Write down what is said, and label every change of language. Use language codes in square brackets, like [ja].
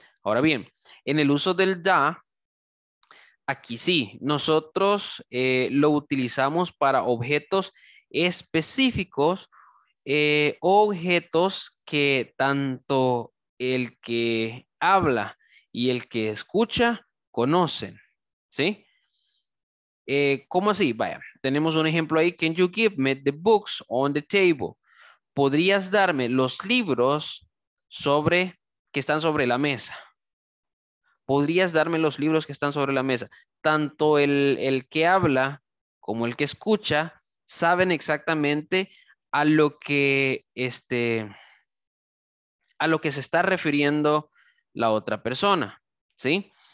[es] Ahora bien, en el uso del DA, aquí sí, nosotros lo utilizamos para objetos específicos, objetos que tanto el que habla y el que escucha conocen, ¿sí? ¿Cómo así? Vaya, tenemos un ejemplo ahí. [en] Can you give me the books on the table? [es] ¿Podrías darme los libros que están sobre la mesa? ¿Podrías darme los libros que están sobre la mesa? Tanto el que habla como el que escucha saben exactamente a lo que a lo que se está refiriendo la otra persona, ¿sí?